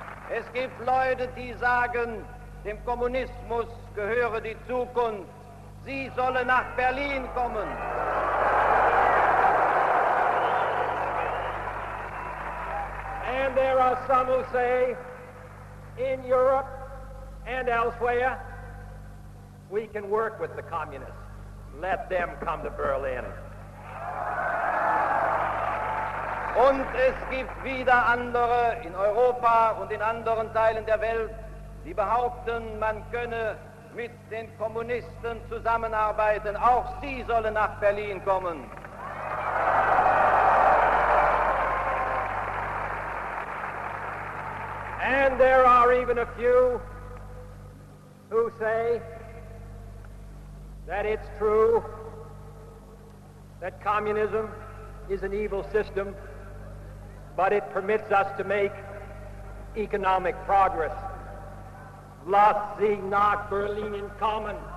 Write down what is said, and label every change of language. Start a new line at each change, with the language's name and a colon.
German: Es gibt Leute, die sagen, dem Kommunismus gehöre die Zukunft. Sie sollen nach Berlin kommen.
English: And there are some who say, in Europe and elsewhere, we can work with the communists. Let them come to Berlin.
German: Und es gibt wieder andere in Europa und in anderen Teilen der Welt, die behaupten, man könne mit den Kommunisten zusammenarbeiten. Auch sie sollen nach Berlin kommen.
English: And there are even a few who say that it's true that communism is an evil system, but it permits us to make economic progress.
German: Lass sie nach Berlin kommen.